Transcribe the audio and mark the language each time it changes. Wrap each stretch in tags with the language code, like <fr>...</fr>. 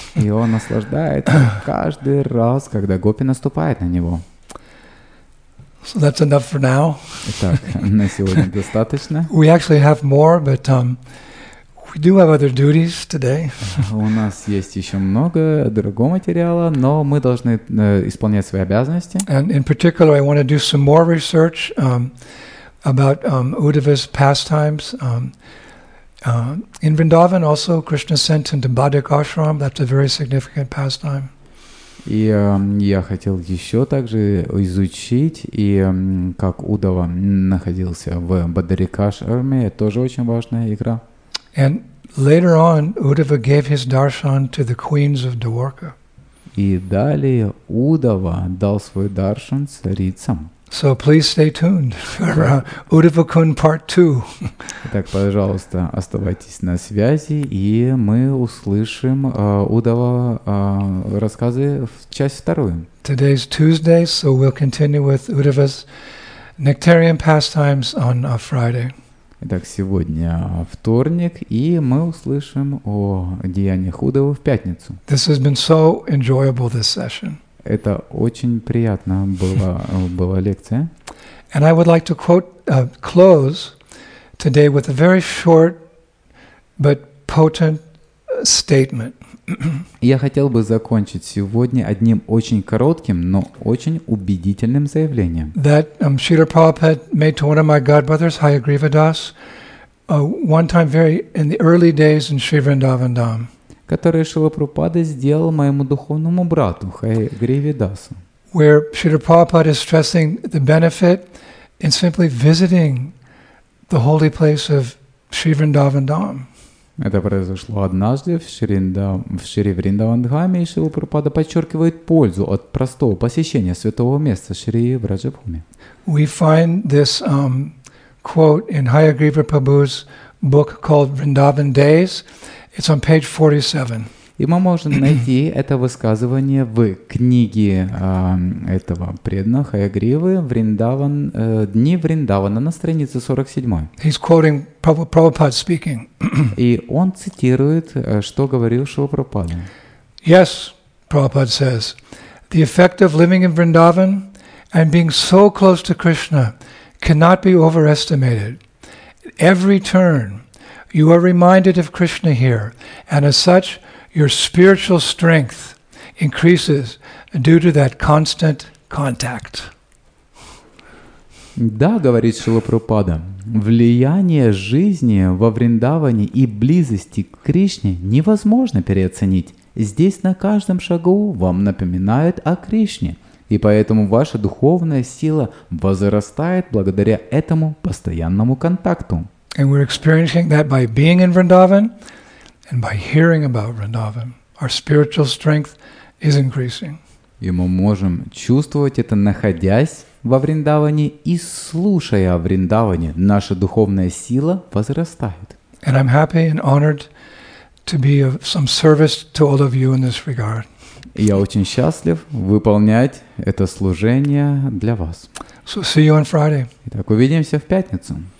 <ru>И он наслаждается каждый раз, когда гопи наступает на него.</ru> <en>So that's enough for now.</en> <ru>Итак, на сегодня достаточно.</ru> <en>We actually have more, but we do have other duties today.</en> <ru>У нас есть еще много другого материала, но мы должны исполнять свои обязанности.</ru> <en>And in particular, I want to do some more research about Uddhava's pastimes. In Vrindavan, also Krishna sent him to Badak Ashram. That's a very significant pastime.</en> <ru>И я хотел еще также изучить, и как Удава находился в Бадарикашраме, тоже очень важная игра.</ru> <en>And later on, Uddhava gave his darshan to the queens of Dwarka.</en> <ru>И далее Удава дал свой даршан царицам.</ru> <en>So please stay tuned for Uddhava Kund Part 2.</en> <ru>Итак, пожалуйста, оставайтесь на связи, и мы услышим Удава рассказы в часть вторую.</ru> <en>Today is Tuesday, so we'll continue with Uddhava's nectarian pastimes on Friday.</en> <ru>Итак, сегодня вторник, и мы услышим о деяниях Удавы в пятницу.</ru> <en>This has been so enjoyable, this session.</en> <ru>Это очень приятно было, была лекция.</ru> <en>And I would like to quote, close today with a very short but potent statement.</en> <ru>Я хотел бы закончить сегодня одним очень коротким, но очень убедительным заявлением.</ru> <en>That Srila Prabhupada made to one of my godbrothers, Hayagriva Das, one time very in the early days in Sri Vrindavan Dham.</en> <ru>Который Шрила Прабхупада сделал моему духовному брату Хайгриве Дасу.</ru> <en>Where Srila Prabhupada is stressing the benefit in simply visiting the holy place of Sri Vrindavan Dham.</en> <ru>Это произошло однажды в Шри Вриндаван Дхаме, и Шрила Прабхупада подчеркивает пользу от простого посещения святого места Шри Враджабхуми.</ru> <en>We find this quote in Hayagriva Prabhu's book called Vrindavan Days. It's on page 47.</en> <ru>И мы можем найти это высказывание в книге этого преданного Хаягривы «Вриндаван, дни Вриндавана» на странице 47.</ru> <en>He's quoting Prabhupada speaking.</en> <ru>И он цитирует, что говорил Шрила Прабхупада.</ru> <en>Yes, Prabhupada says, the effect of living in Vrindavan and being so close to Krishna cannot be overestimated. Every turn, you are reminded of Krishna here, and as such, your spiritual strength increases due to that constant contact.</en> <ru>Да, говорит Шрила Прабхупада, влияние жизни во Вриндаване и близости к Кришне невозможно переоценить. Здесь на каждом шагу вам напоминают о Кришне, И поэтому ваша духовная сила возрастает благодаря этому постоянному контакту.</ru> <en>And we're experiencing that by being in Vrindavan and by hearing about Vrindavan. Our spiritual strength is increasing.</en> <ru>И мы можем чувствовать это, находясь во Вриндаване и слушая о Вриндаване, наша духовная сила возрастает.</ru> <en>And I'm happy and honored to be of some service to all of you in this regard.</en> <ru>Я очень счастлив выполнять это служение для вас.</ru> <en>So see you on Friday.</en> <ru>Итак, увидимся в пятницу.</ru>